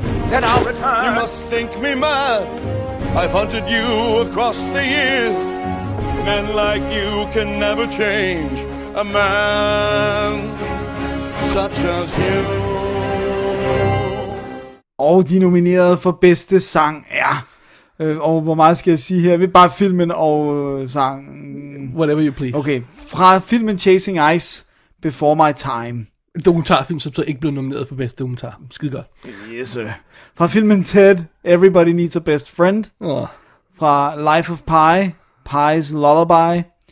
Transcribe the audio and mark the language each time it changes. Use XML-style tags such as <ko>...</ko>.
<en>Then I'll return. You must think me mad. I've hunted you across the years. Men like you can never change a man such as you.</en> <da>Og de nominerede for bedste sang er... Og hvor meget skal jeg sige her? Vi bare filmen og sangen.</da> <en>Whatever you please.</en> <da>Okay, fra filmen Chasing Ice, Before My Time. Dokumentarfilm, som så ikke blev nomineret for bedste dokumentar. Skide godt.</da> <en>Yes, sir.</en> <da>Fra filmen Ted, Everybody Needs a Best Friend. Fra Life of Pi, Pi's Lullaby.</da>